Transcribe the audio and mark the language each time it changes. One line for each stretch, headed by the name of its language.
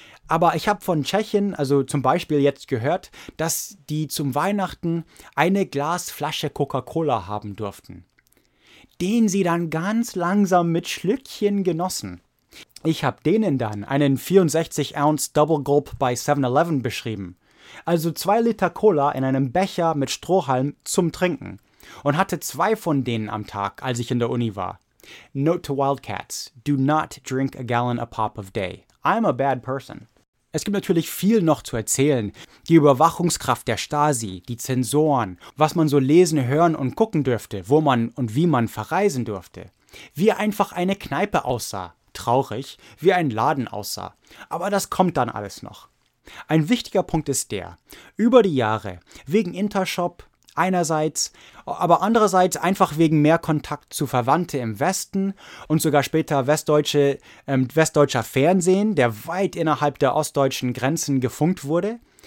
German: Aber ich habe von Tschechien, also zum Beispiel jetzt gehört, dass die zum Weihnachten eine Glasflasche Coca-Cola haben durften, den sie dann ganz langsam mit Schlückchen genossen. Ich habe denen dann einen 64-Ounce Double Gulp bei 7-Eleven beschrieben. Also 2 Liter Cola in einem Becher mit Strohhalm zum Trinken. Und hatte 2 von denen am Tag, als ich in der Uni war.
English: Note to Wildcats, do not drink a gallon a pop of day. I'm a bad person.
German: Es gibt natürlich viel noch zu erzählen. Die Überwachungskraft der Stasi, die Zensoren, was man so lesen, hören und gucken dürfte, wo man und wie man verreisen durfte. Wie einfach eine Kneipe aussah. Traurig, wie ein Laden aussah. Aber das kommt dann alles noch. Ein wichtiger Punkt ist der, über die Jahre, wegen Intershop einerseits, aber andererseits einfach wegen mehr Kontakt zu Verwandte im Westen und sogar später westdeutscher Fernsehen, der weit innerhalb der ostdeutschen Grenzen gefunkt wurde.